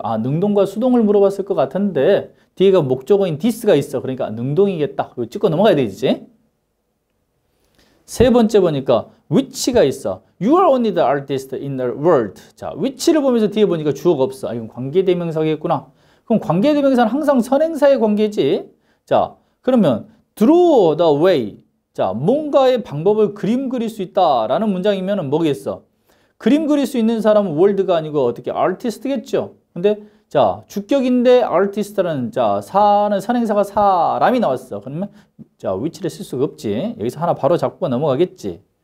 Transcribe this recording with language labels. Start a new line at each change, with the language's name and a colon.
Korean: 아, 능동과 수동을 물어봤을 것 같은데 뒤에가 목적어인 this가 있어. 그러니까 능동이겠다. 그리고 찍고 넘어가야 되지. 세 번째 보니까 which가 있어.
English: You are only the artist in the world.
Korean: 자, which를 보면서 뒤에 보니까 주어가 없어. 아, 이건 관계대명사겠구나. 그럼 관계대명사는 항상 선행사의 관계지. 자, 그러면
English: draw the way.
Korean: 자, 뭔가의 방법을 그림 그릴 수 있다라는 문장이면 뭐겠어? 그림 그릴 수 있는 사람은 월드가 아니고 어떻게 아티스트겠죠? 근데 자, 주격인데 아티스트라는 자, 사는 선행사가 사람이 나왔어. 그러면 자, 위치를 쓸 수가 없지. 여기서 하나 바로 잡고 넘어가겠지.